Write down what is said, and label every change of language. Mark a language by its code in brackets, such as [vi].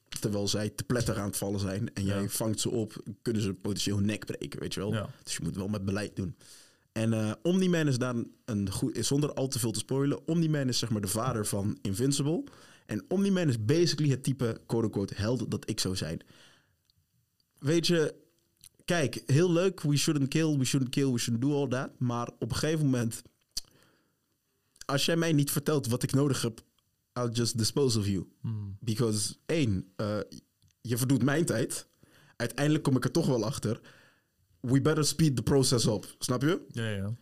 [nl] terwijl zij te pletter aan het vallen zijn... en jij vangt ze op, kunnen ze potentieel hun nek breken, weet je wel. Ja. Dus je moet wel met beleid doen. En Omni-Man is dan een goed, zonder al te veel te spoilen. Omni-Man is zeg maar de vader van Invincible. En Omni-Man is basically het type quote-unquote held dat ik zou zijn. Weet je, kijk, heel leuk. [en] We shouldn't kill, we shouldn't do all that. [nl] Maar op een gegeven moment, als jij mij niet vertelt wat ik nodig heb, [en] I'll just dispose of you. Because 1, [nl] je verdoet mijn tijd. Uiteindelijk kom ik er toch wel achter. [en] We better speed the process up. [nl] Snap je? Ja, ja.